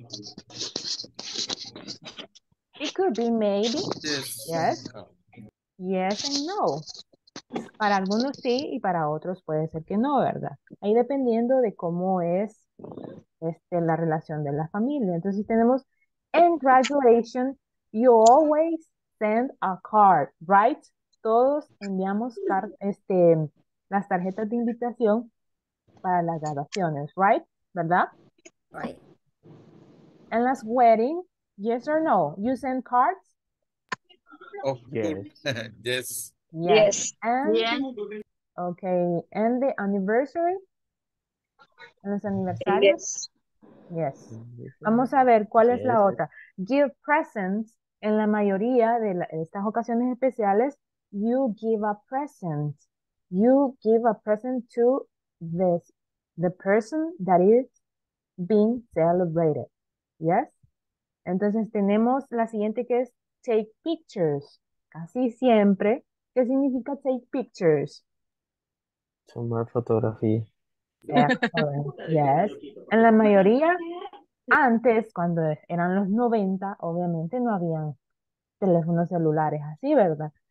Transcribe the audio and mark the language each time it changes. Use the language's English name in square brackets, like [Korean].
[English] It's the same. It could be maybe. Yes. Yes. Yes and no. [Spanish] Para algunos sí y para otros puede ser que no, ¿verdad? Ahí dependiendo de cómo es la relación de la familia. Entonces tenemos, [English] in graduation, you always send a card, right? [Spanish] Todos enviamos las tarjetas de invitación para las graduaciones, [English] right? [Spanish] ¿Verdad? [English] Right. And last wedding, yes or no? You send cards? Oh, yes. Yes. Yes. And, yes. Okay. And the anniversary? [Spanish] Los aniversarios? [English] Yes. [Spanish] Yes. Vamos a ver cuál es la otra. [English] Give presents. [Spanish] En la mayoría de estas ocasiones especiales, [English] you give a present. You give a present to the person that is being celebrated. Yes? [Spanish] Entonces tenemos la siguiente que es [English] take pictures. [Spanish] Casi siempre. ¿Qué significa [English] take pictures? [Spanish] Tomar fotografía. [English] Excellent. Yes. [Spanish] En la mayoría, antes, cuando eran los 90, obviamente no habían teléfonos celulares así, ¿verdad?